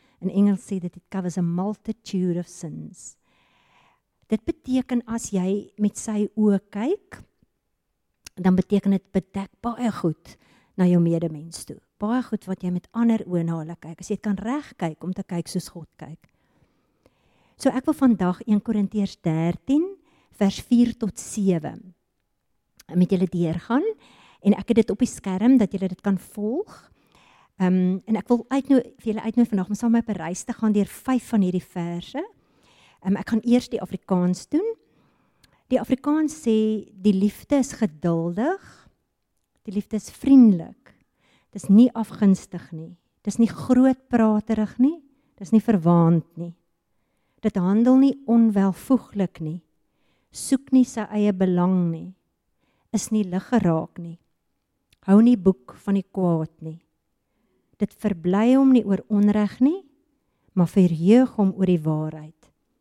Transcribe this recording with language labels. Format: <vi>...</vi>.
<af>In Engels sê dit,</af> <en>it covers a multitude of sins.</en> <af>Dit beteken as jy met sy oë kyk, dan beteken dit bedek baie goed na jou medemens toe. Baie goed wat jy met ander oë na hulle kyk. As jy kan reg kyk om te kyk soos God kyk. So ek wil vandag 1 Korintiërs 13 vers 4 tot 7 met julle deurgaan. En ek het dit op die skerm dat julle dit kan volg. En ek wil vir julle uitnooi vandag om saam met my op 'n reis te gaan deur 5 van hierdie verse. Ek gaan eers die Afrikaans doen. Die Afrikaans sê, die liefde is geduldig, die liefde is vriendelik, dit is nie afgunstig nie, dit is nie grootpraterig nie, dit is nie verwaand nie, dit handel nie onwelvoeglik nie, soek nie sy eie belang nie, is nie lig geraak nie, hou nie boek van die kwaad nie, dit verbly hom nie oor onreg nie, maar verheug hom oor die waarheid.</af>